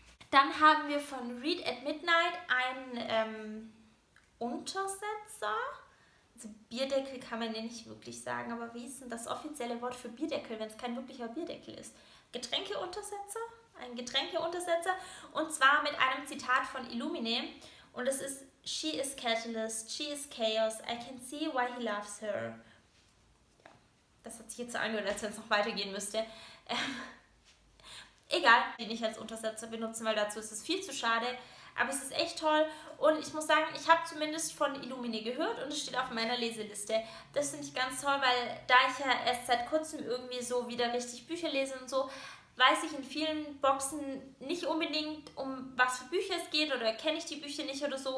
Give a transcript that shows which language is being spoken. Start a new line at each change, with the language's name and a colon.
German: Dann haben wir von Read at Midnight einen Untersetzer. Also Bierdeckel kann man ja nicht wirklich sagen, aber wie ist denn das offizielle Wort für Bierdeckel, wenn es kein wirklicher Bierdeckel ist? Getränkeuntersetzer? Ein Getränkeuntersetzer. Und zwar mit einem Zitat von Illumine. Und es ist:
English: She is catalyst, she is chaos, I can see why he loves her.
German: Ja, das hat sich jetzt so angehört, als wenn es noch weitergehen müsste. Egal, den ich als Untersetzer benutzen, weil dazu ist es viel zu schade. Aber es ist echt toll. Und ich muss sagen, ich habe zumindest von Illumine gehört und es steht auf meiner Leseliste. Das finde ich ganz toll, weil da ich ja erst seit kurzem irgendwie so wieder richtig Bücher lese und so, weiß ich in vielen Boxen nicht unbedingt, um was für Bücher es geht oder kenne ich die Bücher nicht oder so.